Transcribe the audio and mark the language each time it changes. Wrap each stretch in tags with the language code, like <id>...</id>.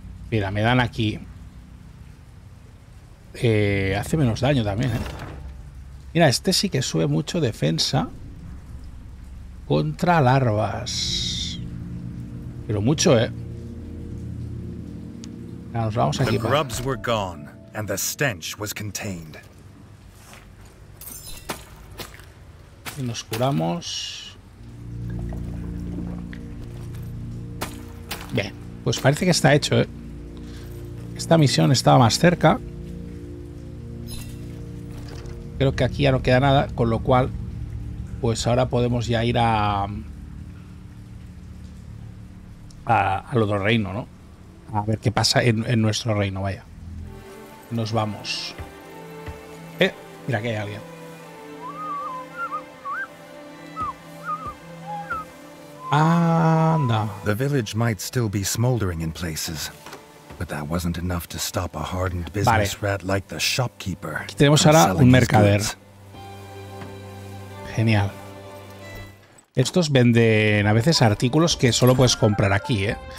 <es>Mira, me dan aquí. Hace menos daño también, ¿eh? Mira, este sí que sube mucho defensa contra larvas. Pero mucho, ¿eh? Ya nos vamos a equipar.</es> <en>The grubs were gone and the stench was contained.</en> <es>Y nos curamos. Bien, pues parece que está hecho, ¿eh? Esta misión estaba más cerca. Creo que aquí ya no queda nada, con lo cual, pues ahora podemos ya ir al otro reino, ¿no? A ver qué pasa en nuestro reino, vaya. Nos vamos. Mira que hay alguien. Anda.</es> <en>The village might still be smoldering in places. But that wasn't enough to stop a hardened business rat like the shopkeeper.</en> <es>Aquí tenemos ahora un mercader. Genial. Estos venden a veces artículos que solo puedes comprar aquí, ¿eh?</es>